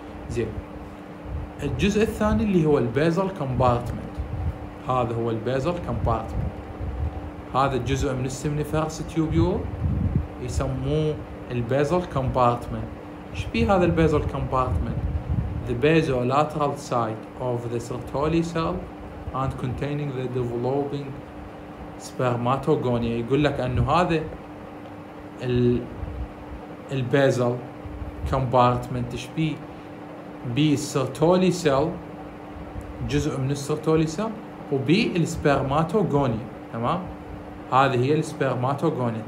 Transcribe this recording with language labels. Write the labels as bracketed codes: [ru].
[ar] زين، الجزء الثاني اللي هو البيزل كمبارتمنت، هذا هو البيزل كمبارتمنت، هذا الجزء من السمنيفيرس تيوبيول يسموه البيزل كمبارتمنت. ايش بيه هذا البيزل كمبارتمنت؟ [en] The basolateral side of the Sertoli cell and containing the developing spermatogonia. [ar] يقول لك انه هذا البيزل كمبارتمنت ايش بيه؟ بي Sertoli cell، جزء من Sertoli cell وبي السبرماتوغونيا، تمام؟ هذه هي السبرماتوغونيا.